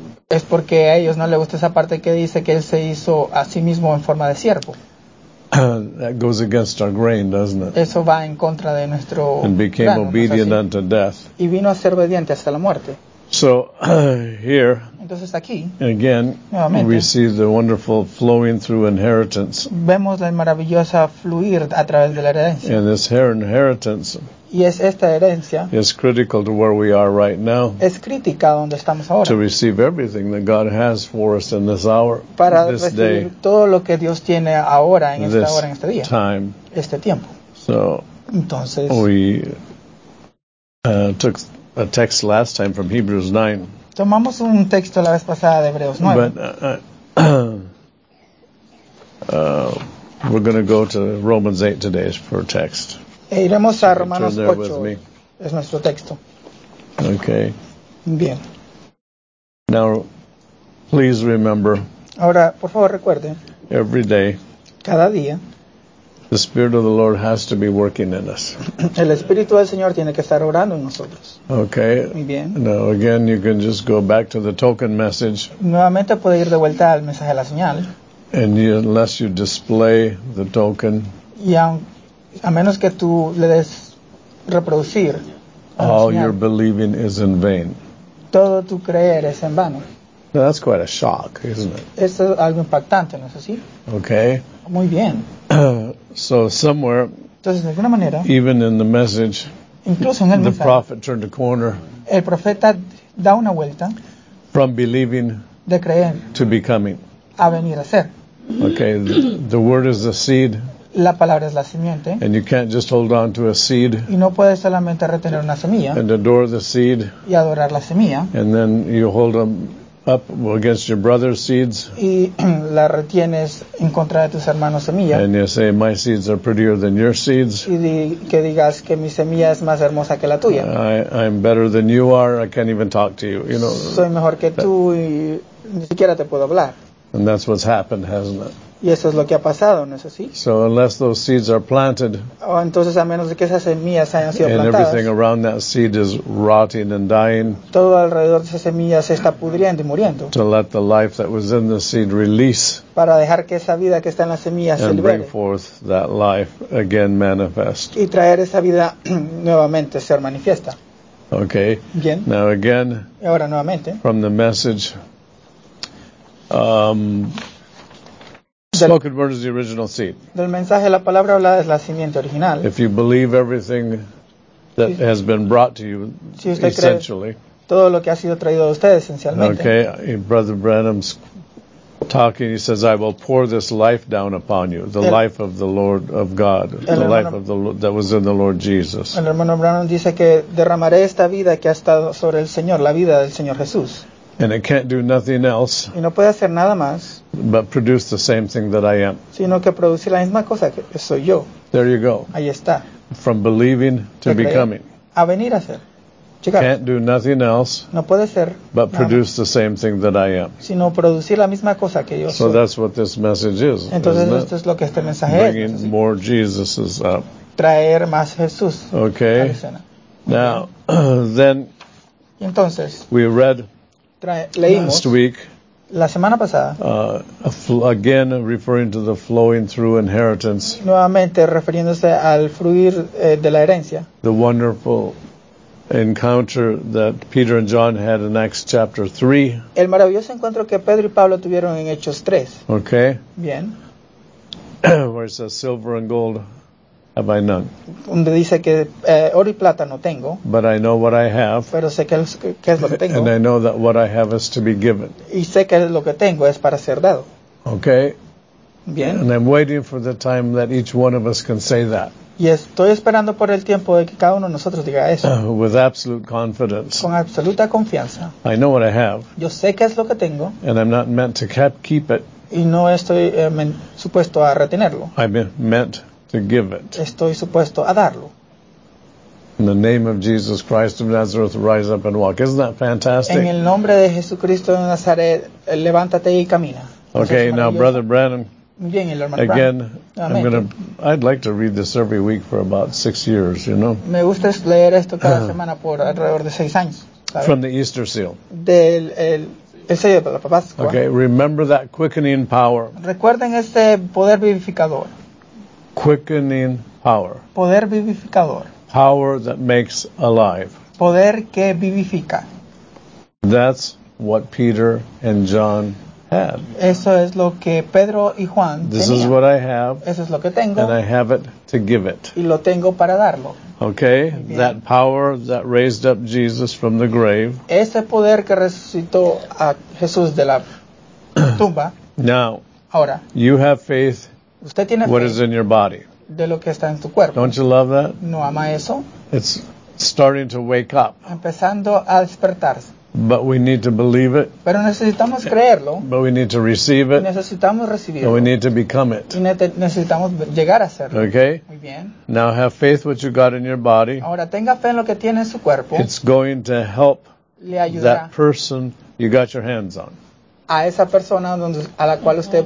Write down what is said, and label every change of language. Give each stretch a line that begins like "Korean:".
Spanish: Es porque a ellos no les gusta esa parte que dice que él se hizo a sí mismo en forma de siervo.
English: That goes against our grain, doesn't it?
Spanish: Eso va en contra de nuestro grano.
English: And became obedient unto death.
Spanish: Y vino a ser obediente hasta la muerte.
English: So here,
Spanish: entonces aquí,
English: again,
Spanish: nuevamente,
English: we see the wonderful flowing through inheritance.
Spanish: Vemos la maravillosa fluir a través de la herencia.
English: And this inheritance.
Spanish: Y es esta herencia.
English: Is critical to where we are right now.
Spanish: Es crítica donde estamos ahora.
English: To receive everything that God has for us in this hour.
Spanish: Para
English: this
Spanish: recibir
English: day,
Spanish: todo lo que Dios tiene ahora en esta hora, en este día.
English: Time.
Spanish: Este tiempo.
English: So,
Spanish: entonces,
English: we took a text last time from Hebrews 9.
Spanish: Tomamos un texto la vez pasada de Hebreos 9.
English: But we're going to go to Romans 8 today for text.
Spanish: E iremos a Romanos 8. Es nuestro texto.
English: Okay.
Spanish: Bien.
English: Now, please remember.
Spanish: Ahora, por favor, recuerde.
English: Every day.
Spanish: Cada día.
English: The Spirit of the Lord has to be working in us.
Spanish: El Espíritu del Señor tiene que estar orando en nosotros.
English: Okay.
Spanish: Muy bien.
English: Now, again, you can just go back to the token message.
Spanish: Nuevamente puede ir de vuelta al mensaje de la señal.
English: And unless you display the token.
Spanish: Y a menos que tú le des reproducir,
English: all your believing is in vain.
Spanish: Todo tu creer es en vano.
English: Now that's quite a shock, isn't it?
Spanish: Esto es algo impactante, ¿no es así?
English: Okay.
Spanish: Muy bien.
English: So somewhere,
Spanish: entonces, de alguna manera,
English: even in the message,
Spanish: incluso en el
English: the prophet turned a corner.
Spanish: El profeta da una vuelta.
English: From believing,
Spanish: de creer,
English: to becoming,
Spanish: a venir a ser.
English: Okay, the word is the seed.
Spanish: La palabra es la simiente.
English: And you can't just hold on to a seed.
Spanish: Y no puedes solamente retener una semilla.
English: And adore the seed.
Spanish: Y adorar la semilla.
English: And then you hold them up against your brother's seeds.
Spanish: Y la retienes en contra de tus hermanos semilla.
English: And you say, my seeds are prettier than your seeds.
Spanish: Y que digas que mi semilla es más hermosa que la tuya.
English: I'm better than you are. I can't even talk to you. You know.
Spanish: Soy mejor que tú y ni siquiera te puedo hablar.
English: And that's what's happened, hasn't it?
Spanish: Y eso es lo que ha pasado, ¿no es así?
English: So unless those seeds are planted,
Spanish: o entonces a menos de que esas semillas hayan sido plantadas,
English: and everything around that seed is rotting and dying,
Spanish: todo alrededor de esas semillas se está pudriendo y muriendo,
English: to let the life that was in the seed release,
Spanish: para dejar que esa vida que está en las semillas se libere,
English: and bring forth that life again manifest,
Spanish: y traer esa vida nuevamente ser manifiesta.
English: Okay.
Spanish: Bien.
English: Now again,
Spanish: y ahora nuevamente,
English: from the message, spoken word is the original seed.
Spanish: Del mensaje, la palabra hablada es la simiente original.
English: If you believe everything that
Spanish: si,
English: has been brought to you,
Spanish: si usted essentially, cree todo lo que ha sido traído a usted, esencialmente.
English: Okay, Brother Branham's talking, he says, I will pour this life down upon you, the life of the Lord of God, the
Spanish: hermano,
English: life of the Lord, that was in the Lord Jesus.
Spanish: El hermano Branham dice que derramaré esta vida que ha estado sobre el Señor, la vida del Señor Jesús.
English: And it can't do nothing else.
Spanish: Y no puede hacer nada más.
English: But produce the same thing that I am.
Spanish: Sino que producir la misma cosa que soy yo.
English: There you go.
Spanish: Ahí está.
English: From believing to becoming.
Spanish: A venir a ser.
English: Checar. Can't do nothing else.
Spanish: No puede ser.
English: But produce the same thing that I am.
Spanish: Sino producir la misma cosa que yo
English: so So that's what this message is.
Spanish: Entonces
English: isn't
Spanish: esto
English: it?
Spanish: Es lo que este mensaje
English: bringing
Spanish: es.
English: Bringing more Jesus's up.
Spanish: traer más Jesús.
English: Okay. Now, then.
Spanish: Entonces.
English: We read.
Spanish: Leímos
English: last week.
Spanish: La semana pasada.
English: Again, referring to the flowing through inheritance.
Spanish: Nuevamente refiriéndose al fluir de la herencia.
English: The wonderful encounter that Peter and John had in Acts chapter 3.
Spanish: El maravilloso encuentro que Pedro y Pablo tuvieron en Hechos 3.
English: Okay.
Spanish: Bien.
English: Where it says silver and gold have I none.
Spanish: Donde dice que oro y plata no tengo.
English: But I know what I have.
Spanish: Pero sé qué es lo que tengo.
English: And I know that what I have is to be given.
Spanish: Y sé que lo que tengo es para ser dado.
English: Okay.
Spanish: Bien.
English: And I'm waiting for the time that each one of us can say that.
Spanish: Y estoy esperando por el tiempo de que cada uno de nosotros diga eso.
English: With absolute confidence.
Spanish: Con absoluta confianza.
English: I know what I have.
Spanish: Yo sé qué es lo que tengo.
English: And I'm not meant to keep it.
Spanish: Y no estoy supuesto a retenerlo.
English: I'm meant to give it.
Spanish: Estoy supuesto a darlo.
English: In the name of Jesus Christ of Nazareth, rise up and walk. Isn't that fantastic?
Spanish: En el nombre de Jesucristo de Nazaret, levántate y camina.
English: Okay, es now Brother Branham.
Spanish: Bien, el hermano
English: Again,
Spanish: Branham.
English: I'm gonna. I'd like to read this every week for about 6 years. You know.
Spanish: Me gusta leer esto cada semana por alrededor de 6 años. ¿Sabes?
English: From the Easter seal.
Spanish: Del el sello de la Pascua.
English: Okay, remember that quickening power.
Spanish: Recuerden este poder vivificador.
English: Quickening power.
Spanish: Poder vivificador.
English: Power that makes alive.
Spanish: Poder que vivifica.
English: That's what Peter and John had.
Spanish: Eso es lo que Pedro y Juan
English: This
Spanish: tenían.
English: Is what I have.
Spanish: Eso es lo que tengo.
English: And I have it to give it.
Spanish: Y lo tengo para darlo.
English: Okay, that power that raised up Jesus from the grave.
Spanish: Ese poder que resucitó a Jesús de la tumba.
English: Now,
Spanish: ahora,
English: you have faith.
Spanish: Usted tiene
English: what
Spanish: fe
English: is in your body.
Spanish: De lo que está en tu cuerpo.
English: Don't you love that?
Spanish: ¿No ama eso?
English: It's starting to wake up.
Spanish: Empezando a despertarse.
English: But we need to believe it.
Spanish: Pero necesitamos creerlo.
English: But we need to receive it.
Spanish: Necesitamos recibirlo.
English: And we need to become it.
Spanish: Y necesitamos llegar a serlo.
English: Okay.
Spanish: Muy bien.
English: Now have faith what you got in your body.
Spanish: Ahora tenga fe en lo que tiene en su cuerpo.
English: It's going to help
Spanish: le ayudará
English: that person you got your hands on.
Spanish: A esa persona donde, a la cual usted